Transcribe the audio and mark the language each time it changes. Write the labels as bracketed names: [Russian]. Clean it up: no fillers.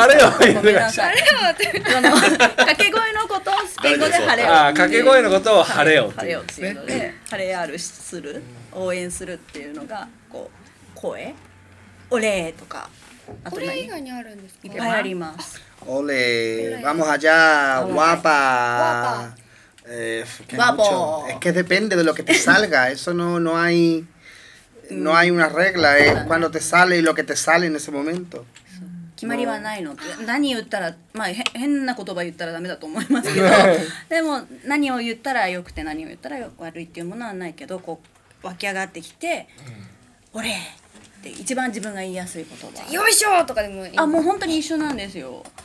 [Japanese] ハレオハレオって掛け声のことをスペイン語でハレオ、掛け声のことをハレオっていうので、ハレアルする、応援するっていうのがこう声、オレーとか、あと何これ以外にあるんですか、いっぱいあります、 [Spanish] オレー、vamos allá、guapa Wapo. Es que depende de lo que te salga. Eso no hay una regla. Es cuando te sale y lo que te sale en ese momento. [Japanese] 決まりはないの。何言ったら、まあ変な言葉言ったらダメだと思いますけど。でも何を言ったらよくて何を言ったら悪いっていうものはないけど、こう湧き上がってきて、俺って一番自分が言いやすい言葉。よいしょとかでもいい。あ、もう本当に一緒なんですよ。